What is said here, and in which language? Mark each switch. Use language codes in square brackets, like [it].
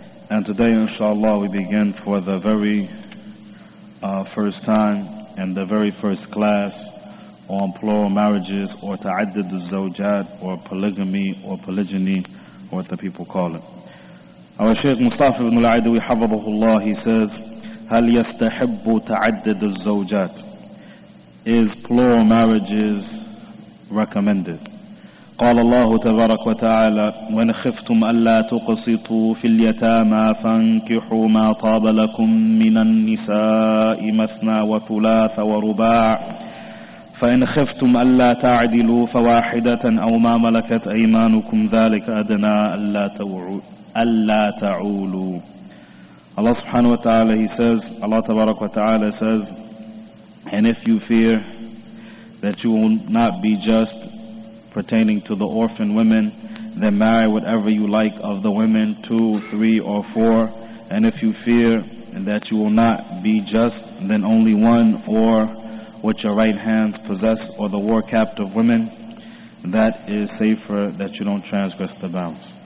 [en] And today, inshallah, we begin for the very first time and the very first class on plural marriages, or ta'addud al-zawjat, or polygamy, or polygyny, or what the people call it. Our Shaykh Mustafa ibn al-Aidawi, hafizahu Allah, he says, [ar] هَلْ يَسْتَحِبُّ تَعَدَّدُ الزَّوْجَاتِ. [en] Is plural marriages recommended? [ar] قال الله تبارك وتعالى وإن خفتم ألا تقسطوا في اليتامى فانكحوا ما طاب لكم من النساء مثنى وثلاث ورباع فإن خفتم ألا تعدلوا فواحدة أو ما ملكت أيمانكم ذلك أدنى ألا تعولوا. [en] Allah subhanahu wa ta'ala, he says, Allah tabarak wa ta'ala says, and if you fear that you will not be just pertaining to the orphan women, then marry whatever you like of the women, 2, 3, or 4. And if you fear that you will not be just, then only one or what your right hands possess, or the war captive women, that is safer that you don't transgress the bounds.